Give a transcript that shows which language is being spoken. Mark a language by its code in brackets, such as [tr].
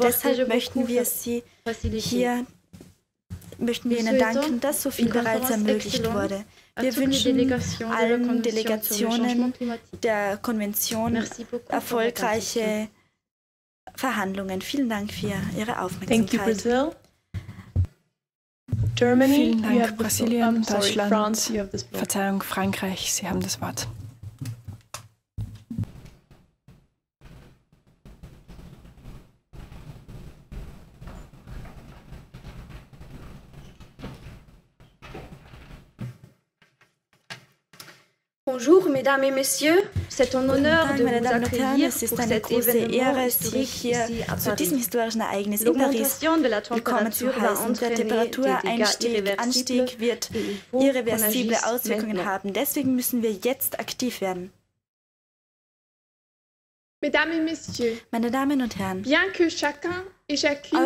[de] Deshalb möchten wir Ihnen danken, dass so viel bereits ermöglicht wurde. Wir wünschen allen Delegationen der Konvention erfolgreiche Verhandlungen. Vielen Dank für Ihre Aufmerksamkeit. [en] Germany, you have Brasilien, Deutschland, France, you have this word. [de] Verzeihung, Frankreich, Sie haben das Wort. [fr] Bonjour, Mesdames et Messieurs, c'est un honneur de vous accueillir pour cet événement historique [de] zu diesem historischen Ereignis in Paris willkommen zu heißen. Der Temperaturanstieg wird irreversible Auswirkungen haben. Deswegen müssen wir jetzt aktiv werden. [fr] Mesdames et Messieurs, [de] meine Damen und Herren, [fr] bien que chacun et chacune